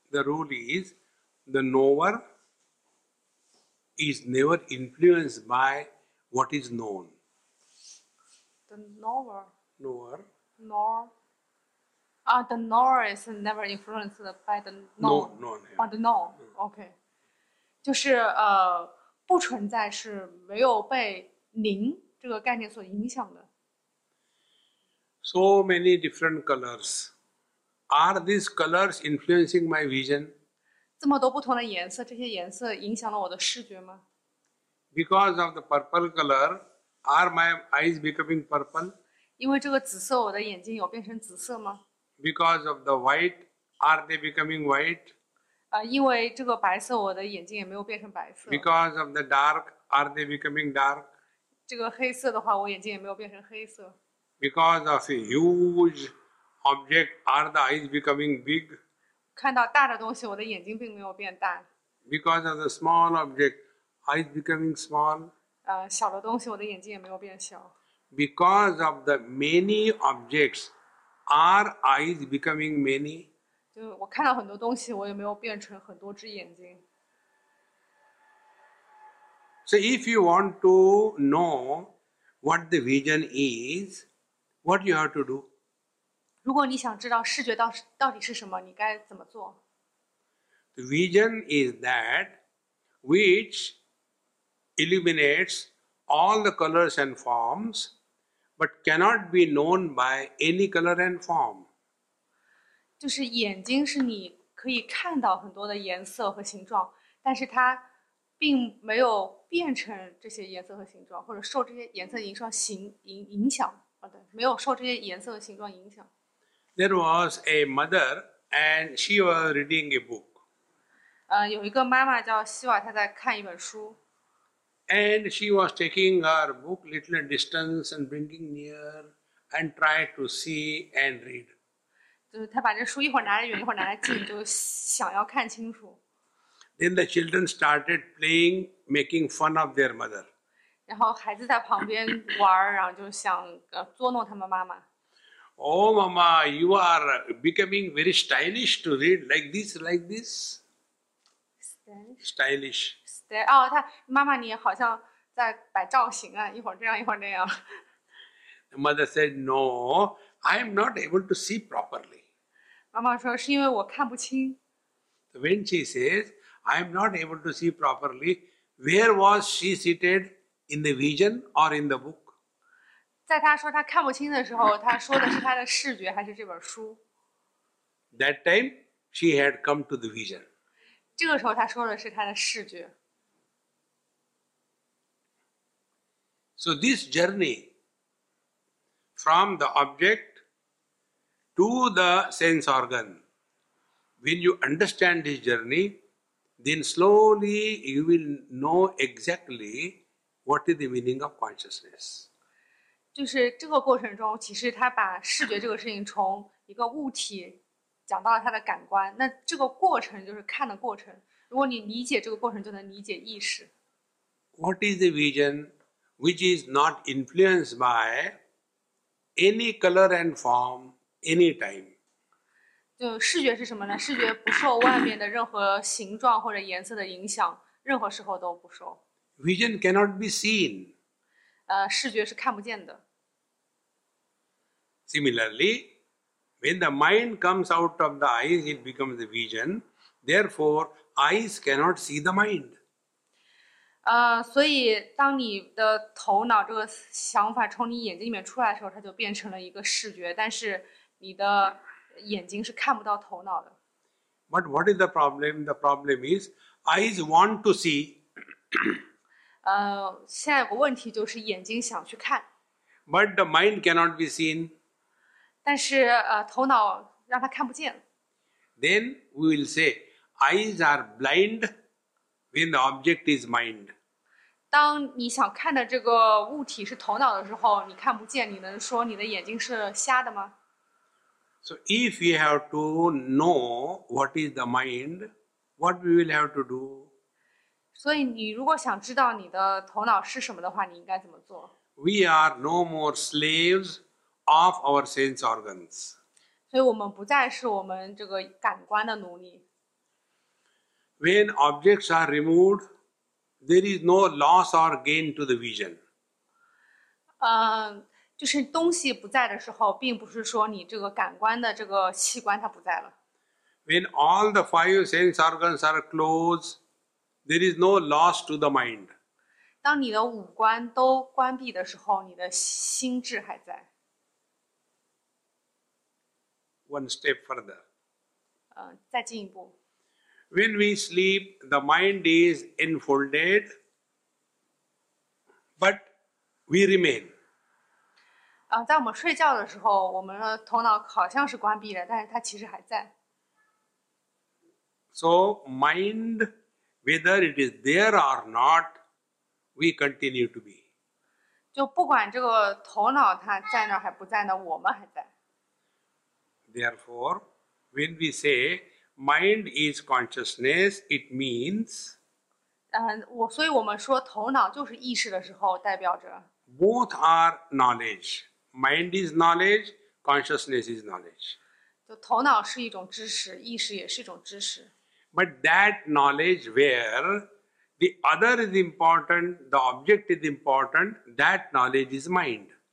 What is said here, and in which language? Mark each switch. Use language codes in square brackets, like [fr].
[en] The rule is, the knower is never influenced by what is known. The knower? Knower. Knower. Ah, the knower is never influenced by the known. No, no, no. By the known. Okay. [zh] 就是, 不存在是没有被您这个概念所影响的。 [en] So many different colors. Are these colors influencing my vision? [zh] 这么多不同的颜色，这些颜色影响了我的视觉吗？ [en] Because of the purple color, are my eyes becoming purple? [zh] 因为这个紫色，我的眼睛有变成紫色吗？ [en] Because of the white, are they becoming white? [zh] 因为这个白色，我的眼睛也没有变成白色。 [en] Because of the dark, are they becoming dark? [zh] 这个黑色的话，我眼睛也没有变成黑色。 [en] Because of a huge object, are the eyes becoming big? [zh] 看到大的东西，我的眼睛并没有变大。 [en] Because of the small object, eyes becoming small? [zh] 小的东西，我的眼睛也没有变小。 [en] Because of the many objects, are eyes becoming many? [zh] 就我看到很多东西，我也没有变成很多只眼睛。 [en] So if you want to know what the vision is, what you have to do? [zh] 如果你想知道视觉到底是什么，你该怎么做？ [en] The vision is that which illuminates all the colors and forms but cannot be known by any color and form. [zh] 就是眼睛是你可以看到很多的颜色和形状，但是它并没有变成这些颜色和形状，或者受这些颜色、形状影响。没有受这些颜色和形状影响。 [en] There was a mother, and she was reading a book. [zh] 有一个妈妈叫希瓦，她在看一本书。 [en] And she was taking her book little distance and bringing near and tried to see and read. [zh] 就是她把这书一会儿拿来远，一会儿拿来近，就想要看清楚。 [en] Then the children started playing, making fun of their mother. [zh] 然后孩子在旁边玩，然后就想捉弄他们妈妈。 [en] Oh, Mama, you are becoming very stylish to read like this, like this. Stylish. Stylish. [zh] Oh, 他妈妈，你好像在摆造型啊，一会儿这样，一会儿那样。 [en] The mother said, "No, I am not able to see properly." [zh] 妈妈说，是因为我看不清。 [en] When she says, "I am not able to see properly," where was she seated in the vision or in the book? [zh] 在她说她看不清的时候，她说的是她的视觉还是这本书？ [en] That time she had come to the vision. [zh] 这个时候她说的是她的视觉。 [en] So this journey from the object to the sense organ, when you understand this journey, then slowly you will know exactly what is the meaning of consciousness. [zh] 就是这个过程中，其实他把视觉这个事情从一个物体讲到了他的感官，那这个过程就是看的过程。如果你理解这个过程，就能理解意识。 [en] What is the vision which is not influenced by any color and form anytime? [zh] 就视觉是什么呢？视觉不受外面的任何形状或者颜色的影响，任何时候都不受。 [en] Vision cannot be seen. [zh] 视觉是看不见的。 [en] Similarly, when the mind comes out of the eyes, it becomes the vision. Therefore, eyes cannot see the mind. [zh] 所以当你的头脑这个想法从你眼睛里面出来的时候，它就变成了一个视觉，但是你的眼睛是看不到头脑的。 [en] But what is the problem? The problem is, eyes want to see. [zh] 现在有个问题就是眼睛想去看。 [en] But the mind cannot be seen. [zh] 但是头脑让它看不见。 [en] Then we will say, eyes are blind when the object is mind. [zh] 当你想看的这个物体是头脑的时候，你看不见，你能说你的眼睛是瞎的吗？ [en] So if we have to know what is the mind, what we will have to do? [zh] 所以你如果想知道你的头脑是什么的话，你应该怎么做？ [en] We are no more slaves of our sense organs. [zh] 所以我们不再是我们这个感官的奴隶。 [en] When objects are removed, there is no loss or gain to the vision. [zh] 就是东西不在的时候，并不是说你这个感官的这个器官它不在了。 [en] When all the five sense organs are closed,There is no loss to the mind. [zh] 当你的五官都关闭的时候，你的心智还在。 [en] One step further. [zh] 再进一步。 [en] When we sleep, the mind is enfolded, but we remain. [zh] 在我们睡觉的时候，我们的头脑好像是关闭的，但是它其实还在。 [en] So mind. Whether it is there or not, we continue to be. [zh] 就不管这个头脑它在那还不在那，我们还在。 [en] Therefore, when we say mind is consciousness, it means. [zh] 所以我们说头脑就是意识的时候，代表着。 [en] Both are knowledge. Mind is knowledge. Consciousness is knowledge. [zh] 就头脑是一种知识，意识也是一种知识。 [en] But that knowledge where the other is important, the object is important, that knowledge is mind.